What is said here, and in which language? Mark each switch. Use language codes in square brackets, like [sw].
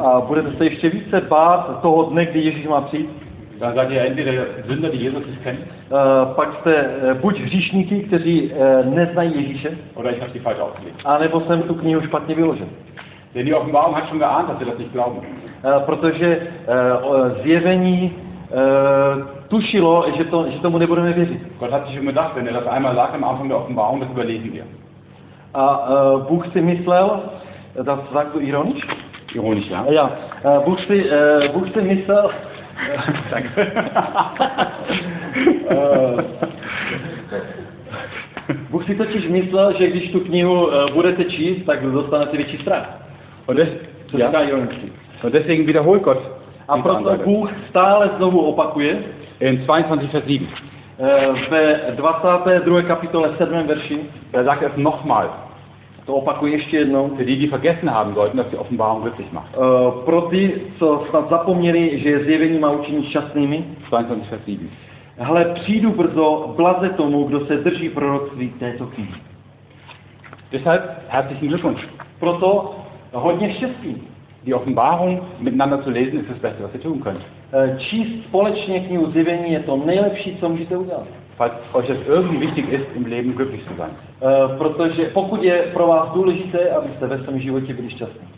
[cs] a budete se ještě více bát toho dne, kdy Ježíš má přijít, [de] dann seid ihr entweder Sünder, die Jesus nicht kennt, [cs] pak jste buď hříšníky, kteří neznají Ježíše, [de] oder ich hab die falsch ausgelegt, [cs] anebo jsem tu knihu špatně vyložil. [de] Denn die Offenbarung hat schon geahnt, dass ihr das nicht glauben. [cs] Protože zjevení tušilo, že tomu nebudeme věřit. [de] Gott hat sich gedacht, wenn er das einmal sagt am Anfang der Offenbarung, das überlesen wir. [cs] A Bůh si myslel, [de] das sagst du ironisch? Ironisch, ja. Ja. [cs] Bůh si myslel, Bůh si totiž myslel, že když tu knihu budete číst, tak dostanete větší strach. [de] Und deswegen wiederholt Gott. [cs] A proto Bůh stále znovu opakuje. [de] In 22, Vers 7. [cs] Ve 22. kapitole 7. verši. [de] Er sagt es nochmal. [cs] To opakuje ještě jednou. [de] Für die, die vergessen haben sollten, dass die Offenbarung glücklich macht. [cs] Pro ty, co snad zapomněli, že zjevení má učinit šťastnými. [de] 22, Vers 7. [cs] Hle, přijdu brzo, blaze tomu, kdo se drží proroctví této knihy. [de] Deshalb herzlichen Glückwunsch. [cs] Proto hodně štěstí. [de] Die Offenbarung miteinander zu lesen ist das Beste, was ihr tun könnt. [cs] Číst společně knihu zjevení je to nejlepší, co můžete udělat. [de] Falls euch das irgendwie wichtig ist, im Leben glücklich zu sein. [cs] Protože pokud je pro vás důležité, abyste ve svém životě byli šťastní.